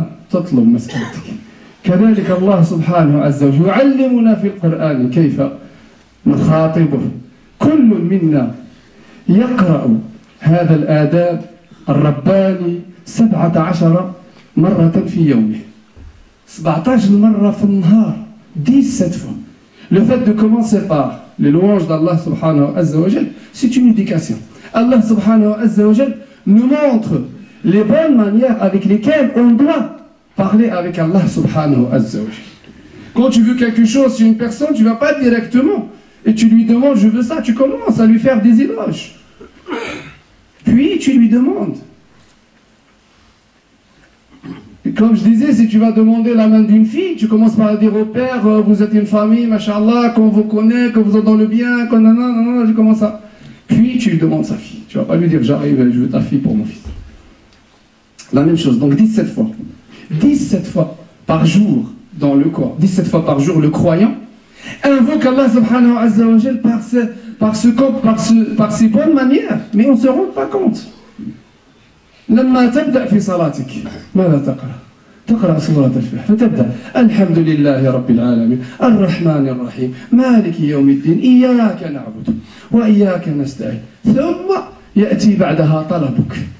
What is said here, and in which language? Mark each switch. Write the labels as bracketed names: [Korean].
[Arabic] تطلب مسألتك كذلك الله سبحانه عز وجل يعلمنا في القران كيف نخاطبه كل منا يقرا هذا الاداب الرباني 17 مره في يومه 17 مره في النهار [French] 17 fois. Le fait de commencer par les louanges d'Allah subhanahu wa azzawajal, c'est une éducation. Allah subhanahu wa azzawajal nous montre les bonnes manières avec lesquelles on doit parler avec Allah subhanahu wa azzawajal. Quand tu veux quelque chose sur une personne, tu ne vas pas directement et tu lui demandes je veux ça, tu commences à lui faire des éloges. Puis tu lui demandes. Comme je disais, si tu vas demander la main d'une fille, tu commences par dire au père, vous êtes une famille, mashallah, qu'on vous connaît, qu'on vous êtes dans le bien, qu'on a, non, non, je commence à... Puis tu lui demandes sa fille. Tu ne vas pas lui dire, j'arrive, je veux ta fille pour mon fils. La même chose, donc 17 fois. 17 fois par jour dans le corps. 17 fois par jour, le croyant invoque Allah subhanahu wa azzawajal par ses bonnes manières, mais on ne se rend pas compte. [Arabic] لما تبدا في صلاتك ماذا تقرا تقرا سوره الفاتحه فتبدا الحمد لله رب العالمين الرحمن الرحيم مالك يوم الدين اياك نعبد واياك نستعين ثم ياتي بعدها طلبك